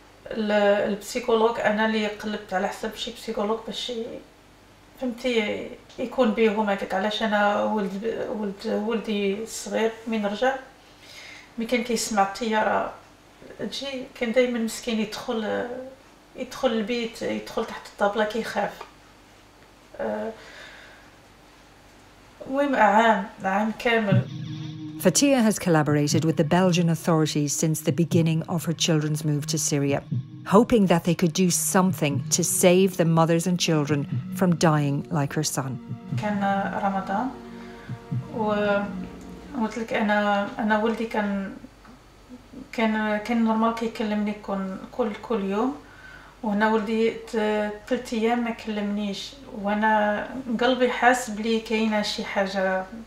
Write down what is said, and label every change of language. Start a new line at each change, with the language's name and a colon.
Arabic: البسيكولوج انا اللي قلبت على حسب شي بسيكولوج باش فهمتي يكون بيهم هكاك علاش انا ولدي الصغير من رجع مي كان كيسمع الطيارة تجي كان دايما مسكين يدخل البيت يدخل تحت الطابلة كيخاف المهم عام كامل.
English: Fatiha has collaborated with the Belgian authorities since the beginning of her children's move to Syria, hoping that they could do something to save the mothers and children from dying like her son.
Arabic: كان رمضان وقلت لك انا ولدي كان نورمال كيكلمني كل يوم وهنا ولدي ثلاث ايام ما كلمنيش وانا قلبي حاس بلي كاينه شي حاجه